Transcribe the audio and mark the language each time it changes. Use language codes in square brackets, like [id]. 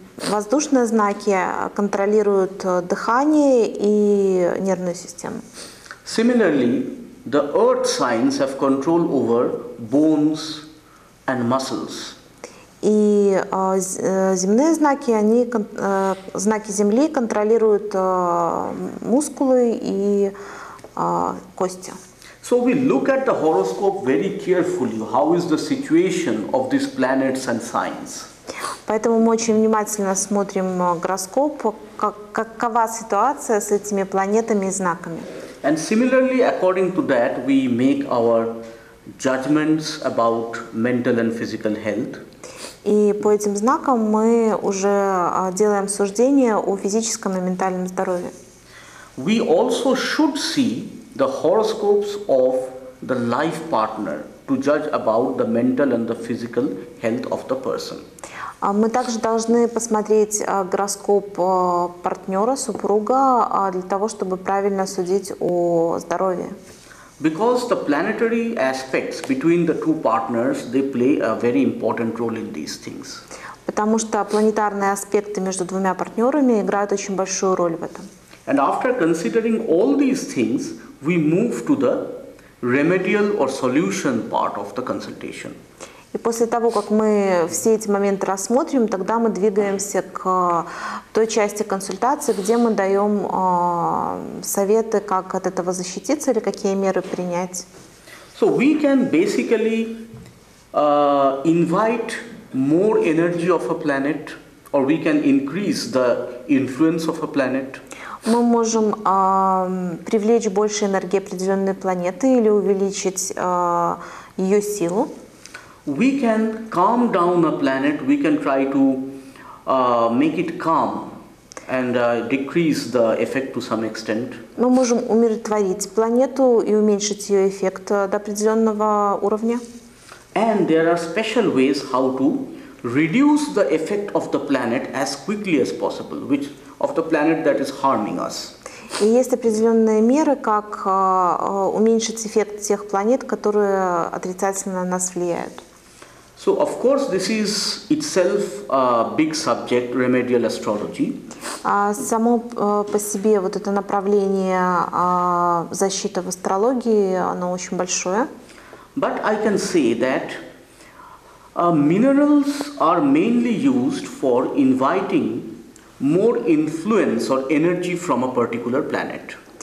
[ru] Воздушные знаки контролируют дыхание и нервную систему. [en] Similarly, the earth signs have control over bones and muscles. [ru] И земные знаки, они знаки земли контролируют мускулы и кости. [en] So we look at the horoscope very carefully. How is the situation of these planets and signs? [ru] Поэтому мы очень внимательно смотрим гороскоп, какова ситуация с этими планетами и знаками. [en] And similarly, according to that, we make our judgments about mental and physical health. [ru] И по этим знакам мы уже делаем суждения о физическом и ментальном здоровье. [en] We also should see the horoscopes of the life partner to judge about the mental and the physical health of the person. [ru] Мы также должны посмотреть гороскоп партнера, супруга, для того, чтобы правильно судить о здоровье. [en] Because the planetary aspects between the two partners, they play a very important role in these things. [ru] Потому что планетарные аспекты между двумя партнерами играют очень большую роль в этом. [en] And after considering all these things, we move to the remedial or solution part of the consultation. [ru] И после того, как мы все эти моменты рассмотрим, тогда мы двигаемся к той части консультации, где мы даем советы, как от этого защититься или какие меры принять. [en] So we can basically invite more energy of a planet, or we can increase the influence of a planet. [ru] Мы можем привлечь больше энергии определенной планеты или увеличить ее силу. [en] We can calm down a planet, we can try to make it calm and decrease the effect to some extent. [ru] Мы можем умиротворить планету и уменьшить ее эффект до определенного уровня. [en] And there are special ways how to reduce the effect of the planet as quickly as possible, which of the planet that is harming us. [ru] И есть определенные меры, как уменьшить эффект тех планет, которые отрицательно на нас влияют. [en] So of course this is itself a big subject, remedial astrology. [ru] Само по себе вот это направление защиты в астрологии, оно очень большое. [en] But I can say that minerals are mainly used for inviting more influence or energy from a particular planet.